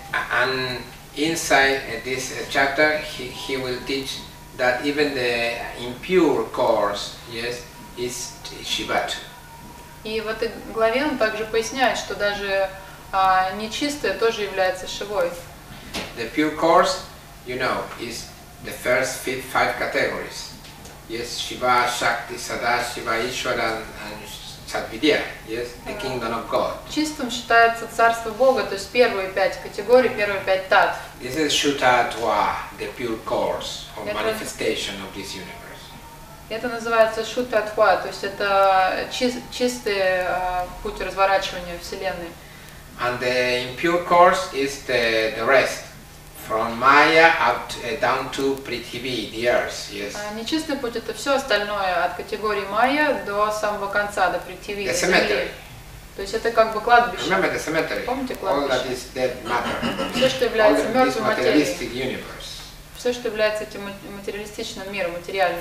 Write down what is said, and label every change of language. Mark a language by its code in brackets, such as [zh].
[en] And inside this chapter, he will teach that even the impure course, yes, is Shivat. [ru] И в этой главе он также поясняет, что даже нечистое тоже является Шивой. [en] The pure course, you know, is the first 5 categories. Yes, Shiva, Shakti, Sadashiva, Ishvara and Sadvidya. Yes, the kingdom of God. [ru] Чистым считается царство Бога, то есть первые 5 категорий, первые 5 татв. [en] This is Shutatva, the pure course of manifestation of this universe. [ru] Это называется Shutatva, то есть это чистый путь разворачивания Вселенной. [en] And the impure course is the rest, from Maya up to, down to Prithivi, the earth, yes. [ru] Нечистый путь — это все остальное, от категории Майя до самого конца, до Prithivi. [en] The cemetery. [ru] То есть это как бы кладбище. [en] Remember the cemetery. [ru] Помните кладбище? [en] All that is dead matter. [ru] Все, что является мертвой материей. [en] All this materialistic universe. [ru] Все, что является этим материалистичным миром, материальным.